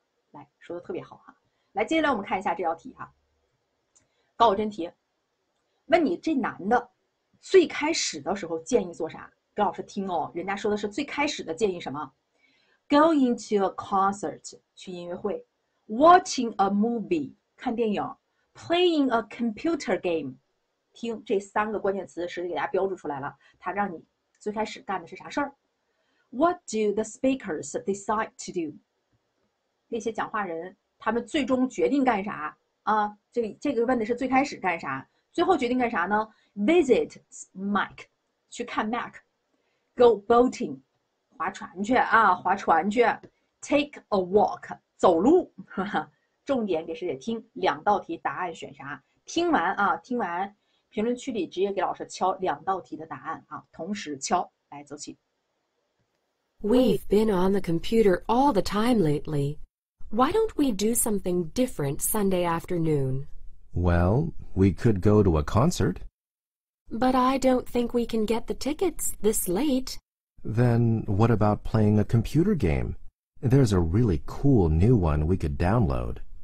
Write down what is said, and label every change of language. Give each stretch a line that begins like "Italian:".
Chinese: 来说的特别好哈。来，接下来我们看一下这道题哈，告我真题，问你这男的最开始的时候建议做啥？给老师听哦，人家说的是最开始的建议什么？
English: Going to a concert
Chinese: 去音乐会，
English: watching a movie
Chinese: 看电影，
English: playing a computer game
Chinese: 听这三个关键词，实际给大家标注出来了，他让你。最开始干的是啥事儿？
English: What do the speakers decide to do？
Chinese: 那些讲话人，他们最终决定干啥啊？这个问的是最开始干啥？最后决定干啥呢？Visit Mike，去看 Mac，
English: Go boating，
Chinese: 划船去啊，划船去，
English: Take a walk，
Chinese: 走路。重点给师姐听，两道题答案选啥？听完啊，听完，评论区里直接给老师敲两道题的答案啊，同时敲，来，走起。
English: We've been on the computer all the time lately. Why don't we do something different Sunday afternoon? Well, we could go to a concert. But I don't think we can get the tickets this late. Then what about playing a computer game? There's a really cool new one we could download.